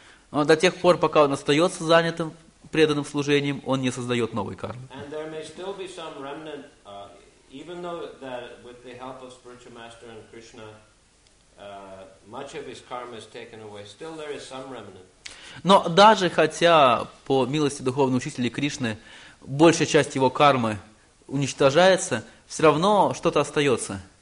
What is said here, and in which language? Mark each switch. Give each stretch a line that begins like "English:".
Russian: Но до тех пор, пока он остается занятым преданным служением, он не создает новой кармы.
English: And there may still be some remnant, even though that with the help of spiritual master and Krishna, much of his karma is taken away, still there is some remnant.
Russian: Но даже хотя по милости духовного учителя Кришны большая часть его кармы уничтожается, все равно что-то остается.